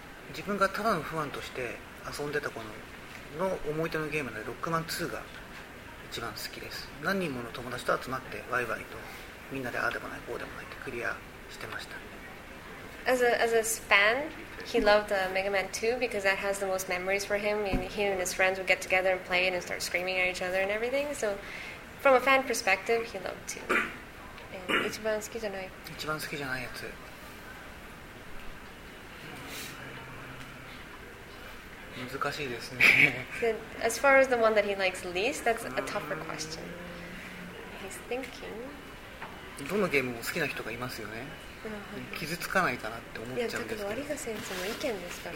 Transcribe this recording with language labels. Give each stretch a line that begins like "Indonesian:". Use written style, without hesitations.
Japanese: 自分がただのファンとして遊んでた頃の思い出のゲームでロックマン2が一番好きです。何人もの友達と集まってワイワイとみんなでああでもないこうでもないってクリアしてました。
English: As a fan, he loved Mega Man 2 because that has the most memories for him. He and his friends would get together and play and start screaming at each other and everything. So, from a fan perspective, he loved 2.
Japanese: 一番好きじゃない。一番好きじゃないやつ。難しいですね。
English: As far as the one that he likes least, that's a tougher question. He's thinking.
Japanese: どのゲームも好きな人がいますよね。傷つかないかなって思っちゃうんですけど。いや、だけど有賀先生の意見ですから。